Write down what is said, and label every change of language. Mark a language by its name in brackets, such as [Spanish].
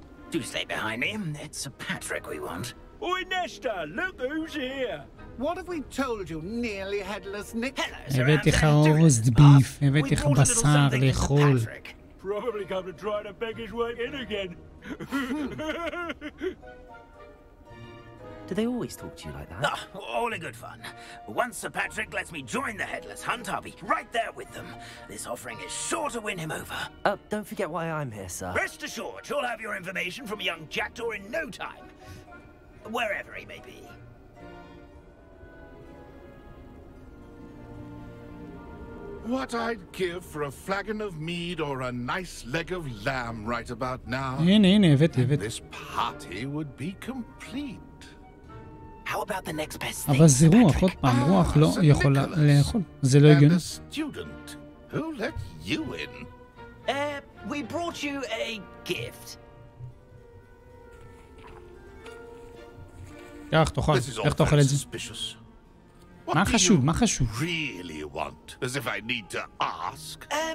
[English] Do stay behind me. It's a Patrick we want. Oi, Nesta, look who's here. What have we told you, nearly headless Nick? [Hebrew] הבאתי לך רוסט ביף, הבאתי לך בשר לאכול. [English] Probably come to try to beg his way in again. Do they always talk to you like that? Oh, all in good fun. Once Sir Patrick lets me join the Headless Hunt, I'll be right there with them. This offering is sure to win him over. Don't forget why I'm here, sir. Rest assured, you'll have your information from young Jackdaw in no time. Wherever he may be. What I'd give for a flagon of mead or a nice leg of lamb right about now. And this party would be complete. How about the next best thing? [Hebrew] אבל זה רוח, עוד פעם, רוח לא יכולה לאכול. זה לא הגיוני. [English] And a student who let you in. We brought you a gift. [Hebrew] איך תאכל? איך תאכל את זה? מה חשוב? מה חשוב? [English] Really want, as if I need to ask.